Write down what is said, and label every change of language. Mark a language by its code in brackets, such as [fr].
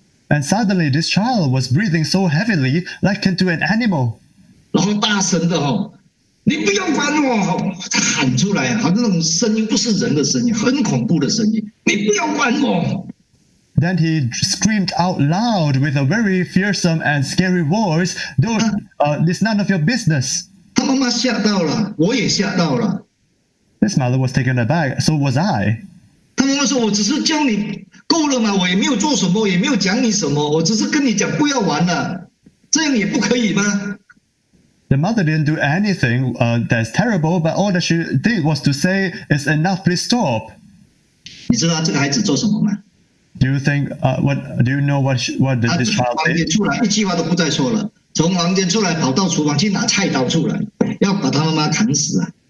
[en] And suddenly, this child was breathing so heavily, like into an animal. [zh] 然后大声的哦，你不要管我，他喊出来，好像那种声音不是人的声音，很恐怖的声音，你不要管我。 [en] Then he screamed out loud with a very fearsome and scary voice, "Don't, it's none of your business." [zh] 他妈妈吓到了，我也吓到了。 [en] His mother was taken aback, so was I. [zh] 他妈妈说：“我只是叫你够了吗？我也没有做什么，也没有讲你什么，我只是跟你讲不要玩了，这样也不可以吗？” [en] The mother didn't do anything that's terrible, but all that she did was to say, "It's enough, please stop." Do you think what do you know what she, what did this child do?